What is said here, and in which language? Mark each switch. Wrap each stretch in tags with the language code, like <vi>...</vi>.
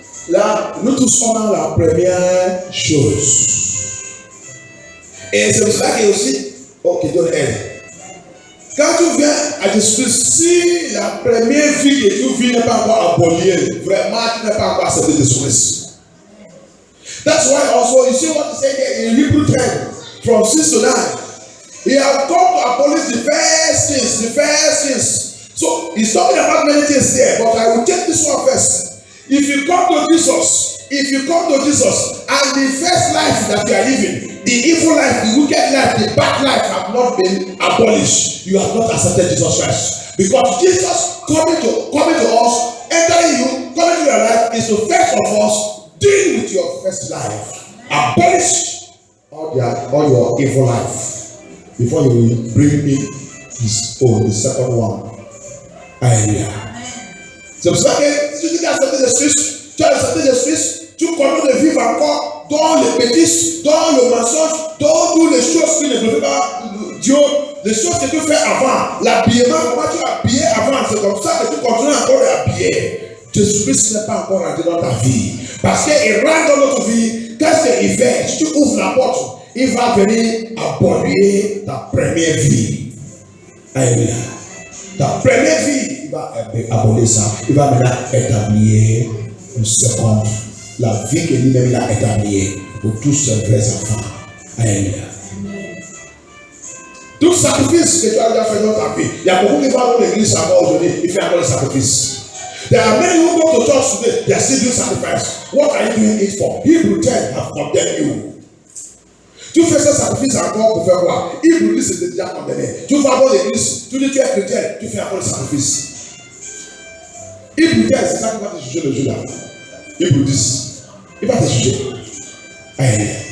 <fr>Là, nous tous on a la première chose. Et c'est pour cela qu'il y a aussi, ok, donne elle. Quand tu viens à Jésus, si la première vie que tu vis n'est pas encore abolie, vraiment tu n'es pas encore accepté Jésus.</fr> <en>That's why also you see what he said in Hebrews 10, from 6 to 9. He has come to abolish the first things. So he's talking about many things there, but I will take this one first. If you come to Jesus, and the first life that you are living, the evil life, the wicked life, the bad life have not been abolished. You have not accepted Jesus Christ. Because Jesus coming to us, entering you, coming to your life, is to first of us deal with your first life. Abolish all your evil life before you will bring me the second one. Hallelujah. So, second, you think I accepted Jesus?</en> <fr>Tu as accepté Jésus, tu continues de vivre encore dans les bêtises, dans le mensonge, dans toutes les choses qui ne peuvent pas Dieu, les choses que tu fais avant, l'habillement, comment tu as habillé avant, c'est comme ça que tu continues encore à habiller. Jésus n'est pas encore rentré dans ta vie. Parce qu'il rentre dans notre vie, qu'est-ce qu'il fait? Si tu ouvres la porte, il va venir abolir ta première vie. Alléluia. Ta première vie, il va abolir ça. Il va maintenant établir. Une seconde, la vie que lui-même a établie pour tous ses vrais enfants. Alléluia. Tout sacrifice que tu as déjà fait dans ta vie, il y a beaucoup qui vont dans l'église encore aujourd'hui, ils font encore des sacrifices.</fr> <en>There are many who go to church today, they are still doing sacrifice. What are you doing it for? Hebrews 10 have condemned you.</en> <fr>Tu fais ce sacrifice encore pour faire quoi? Hebrews 10 est déjà condamné. Tu vas dans l'église, tu dis tu es chrétien, tu fais encore des sacrifices. Hébreux 10, c'est ça qui va te juger le jour-là. Hébreux 10, il va te juger. Aïe.</fr>